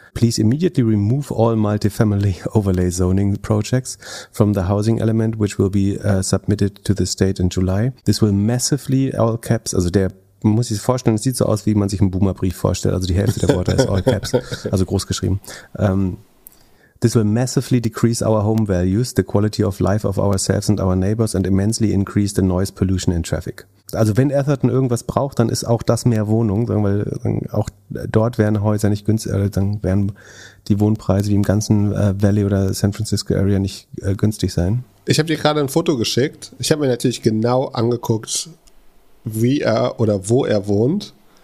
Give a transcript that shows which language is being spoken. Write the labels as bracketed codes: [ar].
[en] Please immediately remove all multifamily overlay zoning projects from the housing element, which will be submitted to the state in July. This will massively, all caps, [de] also der, man muss sich das vorstellen, es sieht so aus, wie man sich einen Boomerbrief vorstellt, also die Hälfte der Worte ist all caps, also groß geschrieben. [en] This will massively decrease our home values, the quality of life of ourselves and our neighbors and immensely increase the noise pollution and traffic. [de] Also wenn Atherton irgendwas braucht, dann ist auch das mehr Wohnung, weil auch dort wären Häuser nicht günstig, dann wären die Wohnpreise wie im ganzen Valley oder San Francisco Area nicht günstig sein. Ich habe dir gerade ein Foto geschickt. Ich habe mir natürlich genau angeguckt, wie er oder wo er wohnt.